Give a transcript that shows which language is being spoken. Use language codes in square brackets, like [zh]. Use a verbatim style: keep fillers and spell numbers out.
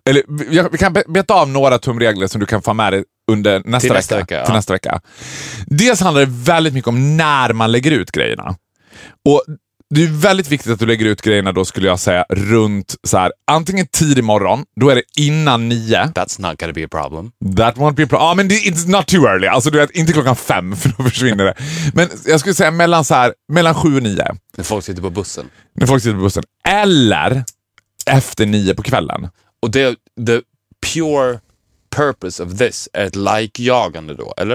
[sv] Eller, vi kan beta av några tumregler som du kan få med dig under nästa till vecka. Nästa vecka, ja. Till nästa vecka. Dels handlar det väldigt mycket om när man lägger ut grejerna. Och... Det är väldigt viktigt att du lägger ut grejerna då, skulle jag säga, runt så här, antingen tidig morgon, då är det innan nio. [en] That's not gonna be a problem. That won't be a problem. [sv] Ja, ah, men [en] it's not too early. [sv] Alltså du vet, inte klockan fem, för då försvinner det. Men jag skulle säga mellan så här, mellan sju och nio. När folk sitter på bussen. När folk sitter på bussen. Eller efter nio på kvällen. [en] Och det, the pure purpose of this [sv] är ett like-jagande då, eller?